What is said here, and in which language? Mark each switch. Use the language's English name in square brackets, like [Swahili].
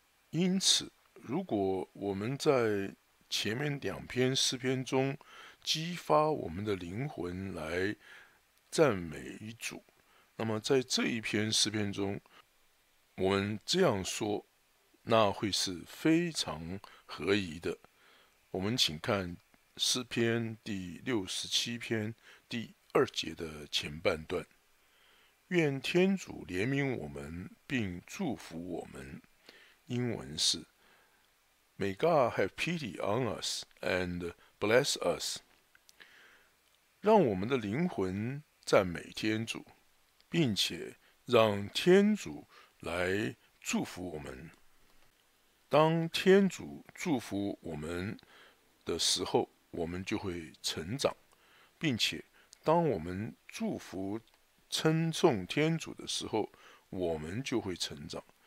[Chinese] 因此，如果我们在前面两篇诗篇中激发我们的灵魂来赞美主，那么在这一篇诗篇中，我们这样说，那会是非常合宜的。我们请看诗篇第六十七篇第二节的前半段：愿天主怜悯我们，并祝福我们。英文是 [English] "May God have pity on us and bless us." [Chinese] 让我们的灵魂赞美天主，并且让天主来祝福我们。当天主祝福我们的时候，我们就会成长，并且当我们祝福称颂天主的时候，我们就会成长。